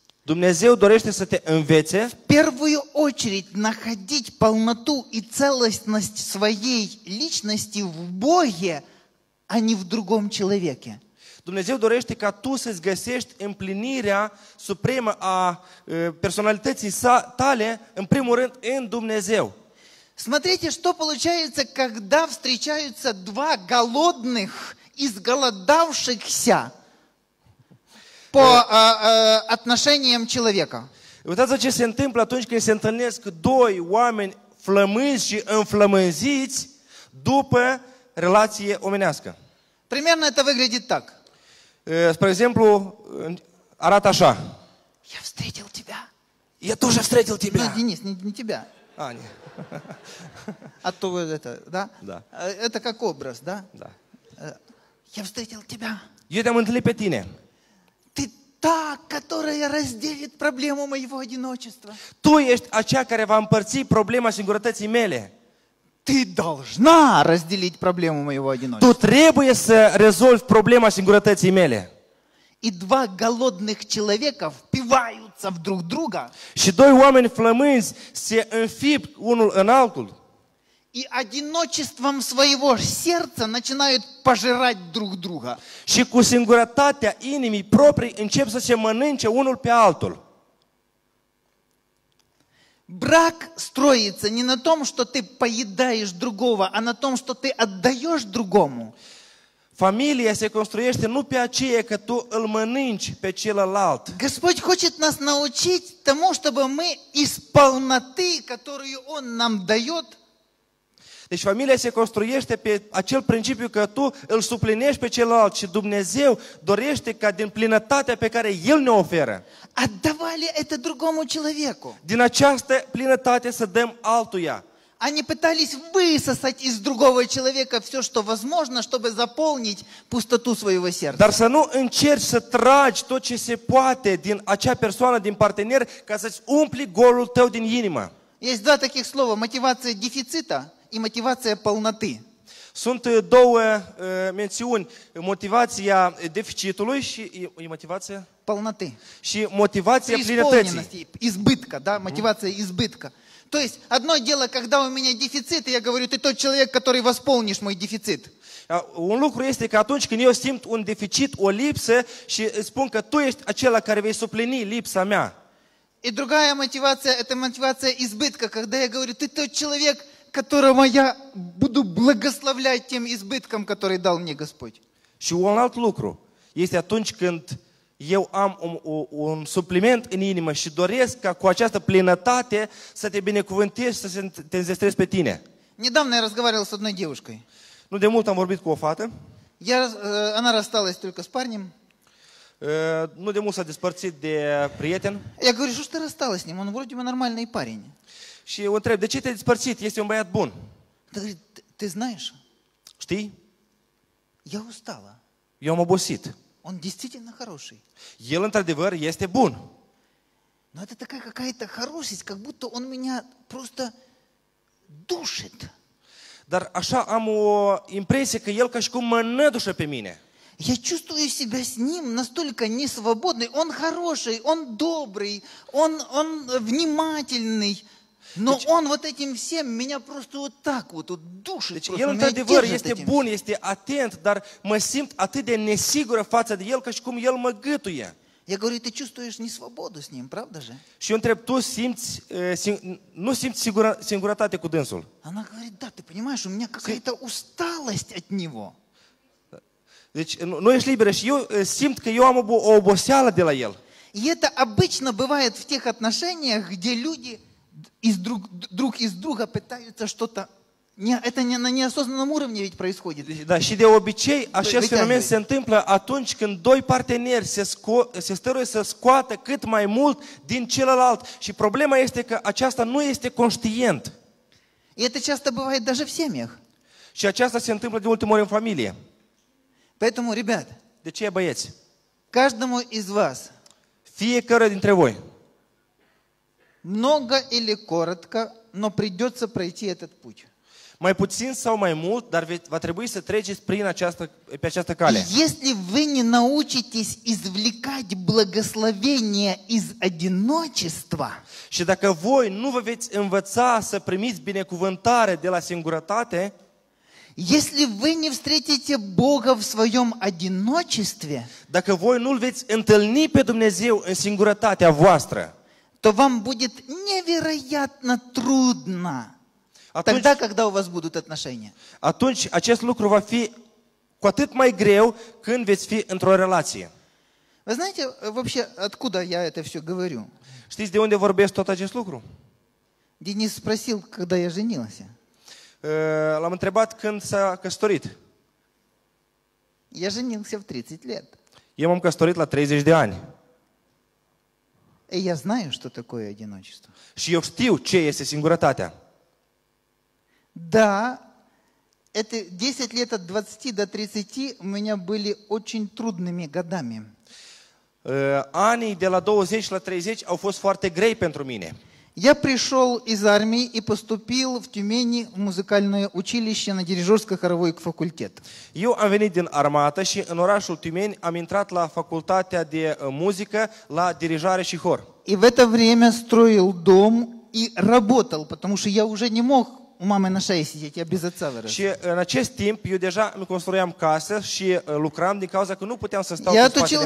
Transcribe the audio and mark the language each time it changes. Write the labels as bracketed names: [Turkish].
[Romanian] Dumnezeu dorește să te învețe. [Russian] В первую очередь находить полноту и целостность своей личности в Боге, а не в другом человеке. [Romanian] Dumnezeu dorește ca tu să-ți găsești împlinirea supremă a personalității tale, în primul rând, în Dumnezeu. [Russian] Смотрите, что получается, когда встречаются два голодных изголодавшихся по отношениям человека. [Romanian] Uitați-vă ce se întâmplă atunci când se întâlnesc doi oameni flămânzi și înflămânziți după relație omenească. [Russian] Примерно это выглядит так. [Romanian] Spre exemplu, arată așa. [Russian] Я встретил тебя. Я тоже встретил тебя. Ну, Денис, не тебя. А, не. А то вот это, да? Да. Это как образ, да? Да. Я встретил тебя. [Romanian] Eu te-am întâlnit pe tine. [Russian] Ты та, которая разделит проблему моего одиночества. [Romanian] Tu ești acea care va împărți problema singurătății mele. [Russian] Ты должна разделить проблему моего одиночества. [Romanian] Tu trebuie să rezolvi problema singurătății mele. [Russian] И два голодных человека впиваются в друг друга. [Romanian] Și doi oameni flămânzi se înfip unul în altul. [Russian] И одиночеством своего сердца начинают пожирать друг друга. [Romanian] Și cu singurătatea inimii proprii încep să se mănânce unul pe altul. [Russian] Брак строится не на том, что ты поедаешь другого, а на том, что ты отдаешь другому. [Romanian] Фамилия се конструиește не по aceea, că tu îl mănânci pe celălalt. [Russian] Господь хочет нас научить тому, чтобы мы из полноты, которую Он нам дает. [Romanian] Deci familia se construiește pe acel principiu că tu îl suplinești pe celălalt și Dumnezeu dorește ca din plinătatea pe care El ne oferă. [Russian] Отдавали это другому человеку. [Romanian] Din această plinătate să dăm altuia. [Russian] Они пытались высосать из другого человека все, что возможно, чтобы заполнить пустоту своего сердца. [Romanian] Dar să nu încerci să tragi tot ce se poate din acea persoană, din partener, ca să-ți umpli golul tău din inimă. [Russian] Есть два таких слова: мотивация дефицита и мотивация полноты. [Romanian] Sunt două mențiuni: [Russian] мотивация дефицитului и мотивация полноты. [Romanian] Și мотивация плинатății. [Russian] Избытка, да, мотивация избытка. То есть одно дело, когда у меня дефицит, и я говорю: ты тот человек, который восполнишь мой дефицит. [Romanian] Un lucru este că atunci când eu simt un deficit, o lipsă, și spun că tu ești acela care vei suplini lipsa mea. [Russian] И другая мотивация — это мотивация избытка, когда я говорю: ты тот человек, которого я буду благословлять тем избытком, который дал мне Господь. [Romanian] Și un alt lucru este atunci când eu am un supliment în inimă și doresc ca cu această plinătate să te binecuvântez, să te înzestrez pe tine. [Russian] Недавно я разговаривал с одной девушкой. [Romanian] Nu de mult am vorbit cu o fată. [Russian] Она рассталась только с парнем. [Romanian] Nu de mult s-a despărțit de prieten. [Russian] Я говорю: что ж ты рассталась с ним? Он вроде бы нормальный парень. [Romanian] Și eu întreb: de ce te-ai despărțit? Este un băiat bun. [Russian] Ты знаешь? [Romanian] Știi? [Russian] Я устала. [Romanian] Eu am obosit. [Russian] Он действительно хороший. [Romanian] El, într-adevăr, este bun. [Russian] Но это такая какая-то хорошесть, как будто он меня просто душит. [Romanian] Dar așa am o impresie că el ca și cum mă nădușă pe mine. [Russian] Я чувствую себя с ним настолько несвободной. Он хороший, он добрый, он внимательный. Но deci, он вот этим всем меня просто вот так вот, вот душит. [Romanian] Deci, el, într-adevăr, este bun, este atent, dar mă simt atât de nesigură față de el, ca și cum el mă gâtuie. [Russian] Я говорю, ты чувствуешь несвободу с ним, правда же? [Romanian] Și eu întreb, tu simți, nu simți singurătate cu dânsul? [Russian] Она говорит, да, ты понимаешь, у меня какая-то усталость от него. [Romanian] Deci, nu ești liberă și eu simt că eu am o oboseală de la el. [Russian] И это обычно бывает в тех отношениях, где люди из друг из друга пытаются что-то... Это не на неосознанном уровне ведь происходит. [Romanian] Да, și de obicei, acest fenomen se întâmplă atunci când doi parteneri se stăruie să scoată cât mai mult din celălalt. Și problema este că aceasta nu este conștient. [Russian] И это часто бывает даже в семьях. [Romanian] Și aceasta se întâmplă de multe ori în familie. [Russian] Поэтому, ребят, [Romanian] de ce, băieți? [Russian] Каждому из вас, [Romanian] fiecare dintre voi, [Russian] много или коротко, но придется пройти этот путь. [Romanian] Mai puțin sau mai mult, dar va trebui să treceți prin această cale. [Russian] Если вы не научитесь извлекать благословение из одиночества, [Romanian] și dacă voi nu vă veți învăța să primiți binecuvântare de la singurătate, [Russian] если вы не встретите Бога в своем одиночестве, [Romanian] dacă voi nu-L veți întâlni pe Dumnezeu în singurătatea voastră, [Russian] то вам будет невероятно трудно. [Romanian] Atunci, [Russian] тогда, когда у вас будут отношения. [Romanian] Atunci, acest lucru va fi cu atât mai greu când veți fi într-o relație. [Russian] Вы знаете, вообще, откуда я это все говорю? [Romanian] Știți de unde vorbesc tot acest lucru? [Russian] Денис спросил, когда я женился. [Romanian] L-am întrebat când s-a căsătorit. [Russian] Я женился в 30 лет. [Romanian] Eu m-am căsătorit la 30 de ani. [Russian] И я знаю, что такое одиночество. [Romanian] Și eu știu ce este singurătatea. [Russian] Да, это 10 лет от 20 до 30 у меня были очень трудными годами. [Romanian] Ани de la 20 la 30 au fost foarte grei pentru mine. [Russian] Я пришел из армии и поступил в Тюмени в музыкальное училище на дирижерско-хоровой факультет. [Romanian] Eu am venit din armată și în orașul Tiumeni am intrat la facultatea de muzică, la dirijare și hor. [Russian] И в это время строил дом и работал, потому что я уже не мог у мамы на шее сидеть, я без отца вырос. [Romanian] Și în acest timp eu deja îmi construiam casă și lucram din cauza că nu puteam să stau cu spatele